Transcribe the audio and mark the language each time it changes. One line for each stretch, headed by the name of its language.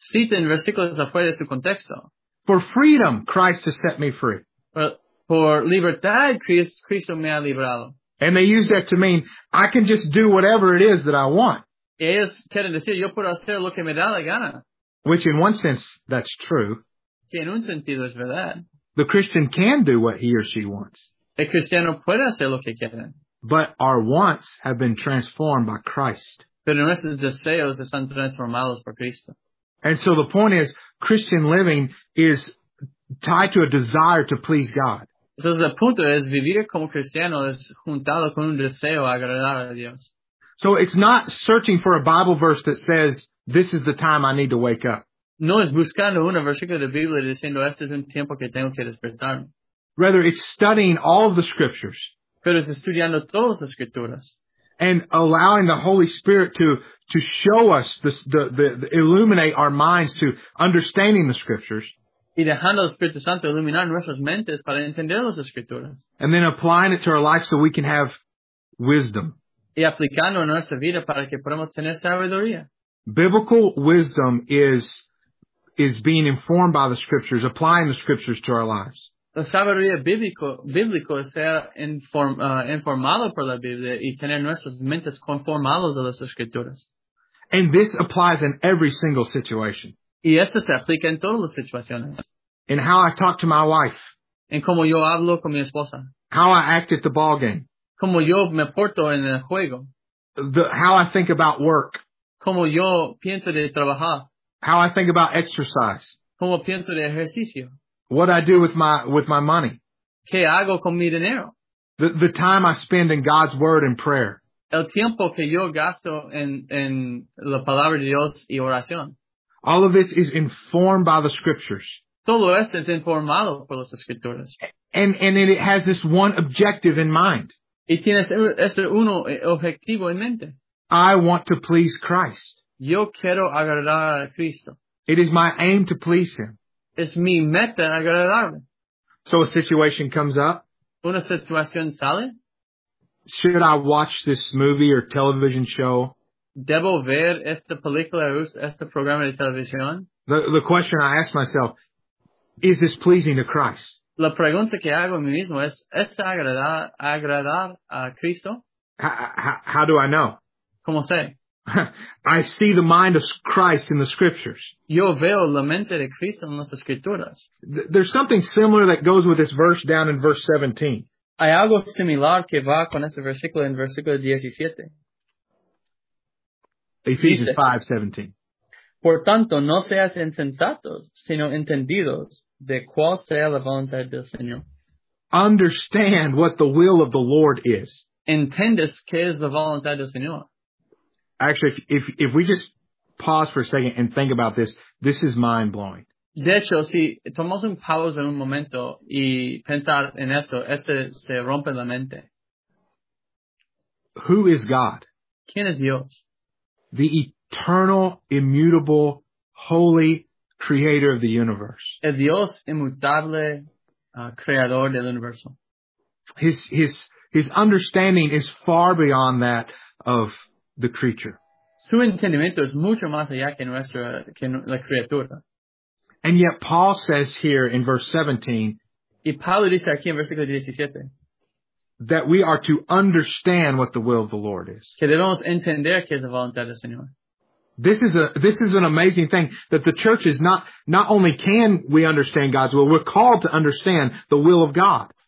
Spanish: Citan versículos afuera de su contexto.
English: For freedom, Christ has set me free.
Spanish: Por libertad, Cristo me ha librado.
English: And they use that to mean, I can just do whatever it is that I want.
Spanish: Ellos quieren decir, yo puedo hacer lo que me da la gana.
English: Which in one sense, that's true.
Spanish: Que en un sentido es verdad.
English: The Christian can do what he or she wants.
Spanish: El cristiano puede hacer lo que quiere.
English: But our wants have been transformed by Christ.
Spanish: Pero nuestros deseos están transformados por Cristo.
English: And so the point is, Christian living is tied to a desire to please God.
Spanish: Entonces el punto es, vivir como cristiano es juntado con un deseo a agradar a Dios.
English: So it's not searching for a Bible verse that says, this is the time I need to wake up.
Spanish: No es buscando una versículo de Biblia diciendo, este es un tiempo que tengo que despertarme.
English: Rather, it's studying all of the scriptures.
Spanish: Pero es estudiando todas las escrituras.
English: And allowing the Holy Spirit to show us, the illuminate our minds to understanding the scriptures.
Spanish: Y dejando el Espíritu Santo iluminar nuestras mentes para entender las escrituras.
English: And then applying it to our life so we can have wisdom.
Spanish: Y aplicando en nuestra vida para que podamos tener sabiduría.
English: Biblical wisdom is being informed by the scriptures, applying the scriptures to our lives.
Spanish: La sabiduría bíblico es ser informado por la Biblia y tener nuestras mentes conformadas a las escrituras.
English: And this applies in every single situation.
Spanish: Y esto se aplica en todas las situaciones.
English: In how I talk to my wife.
Spanish: En cómo yo hablo con mi esposa.
English: How I act at the ball game.
Spanish: Como yo me porto en el juego.
English: How I think about work.
Spanish: Como yo pienso de trabajar.
English: How I think about exercise.
Spanish: Como pienso de ejercicio.
English: What I do with my money.
Spanish: Que hago con mi dinero.
English: The time I spend in God's word and prayer.
Spanish: El tiempo que yo gasto en la palabra de Dios y oración.
English: All of this is informed by the scriptures.
Spanish: Todo esto es informado por las escrituras.
English: And it has this one objective in mind.
Spanish: Y tienes este uno objetivo en mente.
English: I want to please Christ.
Spanish: Yo quiero agradar a Cristo.
English: It is my aim to please Him.
Spanish: Es mi meta agradarle.
English: So a situation comes up.
Spanish: Una situación sale.
English: Should I watch this movie or television show?
Spanish: Debo ver esta película o este programa de televisión?
English: The question I ask myself, is this pleasing to Christ?
Spanish: La pregunta que hago a mí mismo es, ¿está agradar a Cristo?
English: How do I know?
Spanish: ¿Cómo sé?
English: I see the mind of Christ in the scriptures.
Spanish: Yo veo la mente de Cristo en las escrituras.
English: There's something similar that goes with this verse down in verse 17.
Spanish: Hay algo similar que va con este versículo en versículo 17.
English: Ephesians 5:17.
Spanish: Por tanto, no seas insensatos, sino entendidos. De cuál sea la voluntad del Señor.
English: Understand what the will of the Lord is.
Spanish: Entendes qué es la voluntad del Señor.
English: Actually, if we just pause for a second and think about this, this is mind-blowing.
Spanish: De hecho, si tomamos un pausa un momento y pensar en eso, este se rompe la mente.
English: Who is God?
Spanish: ¿Quién es Dios?
English: The eternal, immutable, holy Creator of the universe.
Spanish: El Dios inmutable, creador del universo.
English: His understanding is far beyond that of the creature.
Spanish: Su entendimiento es mucho más allá que nuestra, que la criatura.
English: And yet Paul says here in verse 17.
Spanish: Y Pablo dice aquí en versículo 17.
English: That we are to understand what the will of the Lord is.
Spanish: Que debemos entender que es la voluntad del Señor.
English: This is an amazing thing that the church is not only can we understand God's will, we're called to understand the will of God.